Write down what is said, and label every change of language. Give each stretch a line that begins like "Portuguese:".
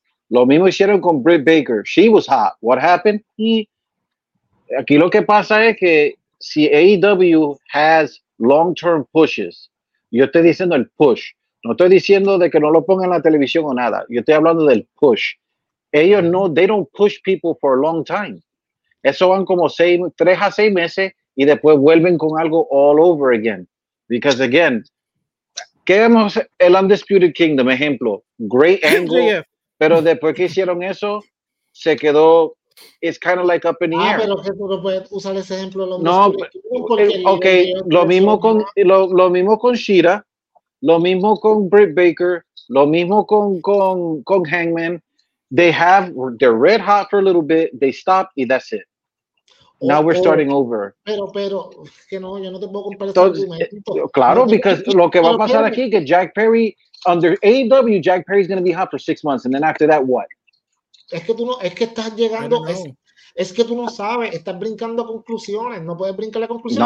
Spanish: Lo mismo hicieron con Britt Baker.
English: She was hot. What happened?
Spanish: Aquí lo que pasa es que si AEW
English: has long-term pushes,
Spanish: yo estoy diciendo el push. No estoy diciendo de que no lo pongan en la televisión o nada. Yo estoy hablando del push. Ellos no,
English: they don't push people for a long time.
Spanish: Eso van como 3 a 6 meses y después vuelven con algo
English: all over again. Because again,
Spanish: ¿qué vemos? El Undisputed Kingdom, ejemplo.
English: Great Angle. MJF.
Spanish: Pero después que hicieron eso, se quedó,
English: it's kind of like up in the air.
Spanish: Pero Jesús, no puedes usar ese ejemplo. Lo mismo con Shida, lo mismo con Britt Baker, lo mismo con Hangman.
English: They have, they're red hot for a little bit, they stop, y that's it. Now we're starting over.
Spanish: Pero, que no, yo no te puedo comparar ese argumento. Claro,
English: because
Spanish: lo que va a pasar aquí, que
English: Jack Perry, under AEW, Jack Perry's going to be hot for 6 months, and then after that, what?
Spanish: Es que estás llegando, es que tú no sabes, estás brincando a conclusiones, no puedes brincar a conclusiones.